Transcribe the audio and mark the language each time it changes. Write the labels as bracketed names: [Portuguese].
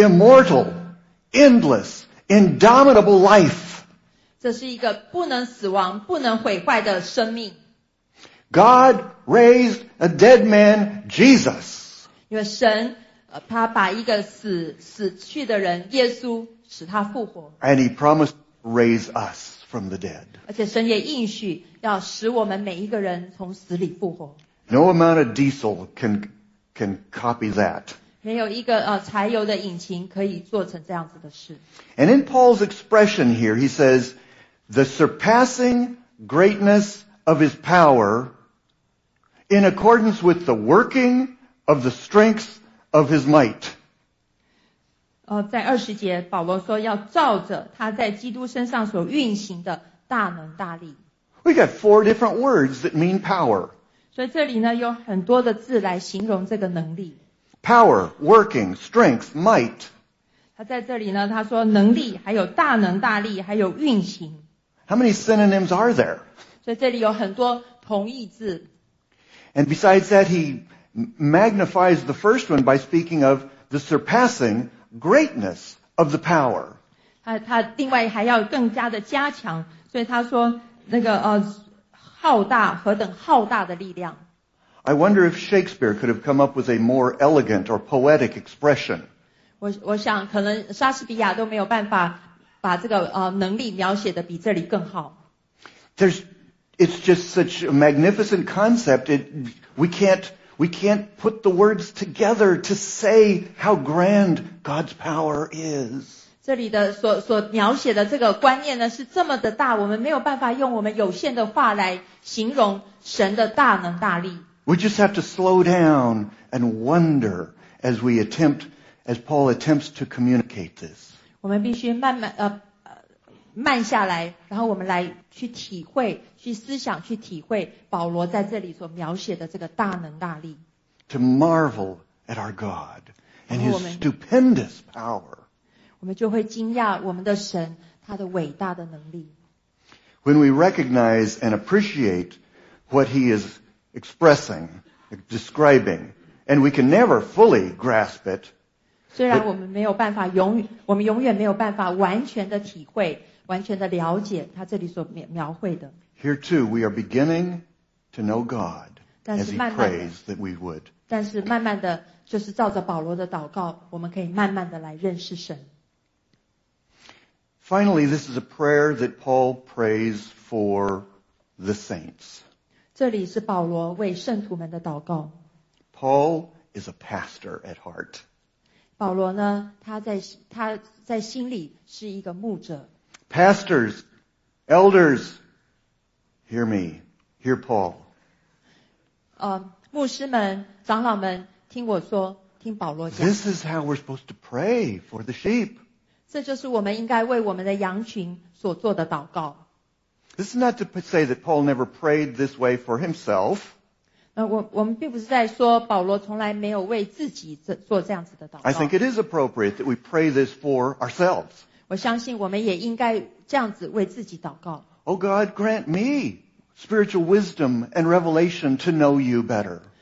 [English] Immortal, endless, indomitable life. [Chinese] 这是一个不能死亡、不能毁坏的生命。 [English] God raised a dead man, Jesus. [Chinese] 因为神他把一个死去的人耶稣使他复活。 [English] And he promised to raise us from the dead. [Chinese] 而且神也应许要使我们每一个人从死里复活。 [English] No amount of diesel can copy that. [Chinese] 没有一个柴油的引擎可以做成这样子的事。 [English] And in Paul's expression here, he says, the surpassing greatness of his power in accordance with the working of the strength of his might. [Chinese] 在二十节保罗说要照着他在基督身上所运行的大能大力。 [English] We got four different words that mean power. [Chinese] 所以这里呢有很多的字来形容这个能力。 [English] Power, working, strength, might. [Chinese] 他在这里呢他说能力还有大能大力还有运行。 [English] How many synonyms are there? [Chinese] 所以这里有很多同义字。 [English] And besides that, he magnifies the first one by speaking of the surpassing greatness of the power. [Chinese] 他另外还要更加的加强，所以他说那个浩大何等浩大的力量。 [English] I wonder if Shakespeare could have come up with a more elegant or poetic expression. [Chinese] 我想可能莎士比亚都没有办法把这个能力描写的比这里更好。 [English] It's just such a magnificent concept. We can't put the words together to say how grand God's power is. [Chinese] 这里的所描写的这个观念呢是这么的大，我们没有办法用我们有限的话来形容神的大能大力。 [English] We just have to slow down and wonder as Paul attempts to communicate this. [Chinese] 我们必须慢下来，然后我们来去体会，去思想，去体会保罗在这里所描写的这个大能大力。 [English] To marvel at our God and His stupendous power. [Chinese] 我们就会惊讶我们的神他的伟大的能力。 [English] When we recognize and appreciate what He is expressing, describing, and we can never fully grasp it. [Chinese] 虽然我们没有办法我们永远没有办法完全的体会。完全的了解他这里所描绘的。 [English] Here too, we are beginning to know God as he prays that we would. [Chinese] 但是慢慢的，就是照着保罗的祷告，我们可以慢慢的来认识神。 [English] Finally, this is a prayer that Paul prays for the saints. [Chinese] 这里是保罗为圣徒们的祷告。 [English] Paul is a pastor at heart. [Chinese] 保罗呢，他在心里是一个牧者。 [English] Pastors, elders, hear me, hear Paul. [Chinese] 牧师们、长老们，听我说，听保罗讲。 [English] This is how we're supposed to pray for the sheep. [Chinese] 这就是我们应该为我们的羊群所做的祷告。 [English] This is not to say that Paul never prayed this way for himself. [Chinese] 我们并不是在说保罗从来没有为自己做这样子的祷告。 [English] I think it is appropriate that we pray this for ourselves. [Chinese] 我相信我们也应该这样子为自己祷告。 [English] Oh God, grant me spiritual wisdom and revelation to know you better.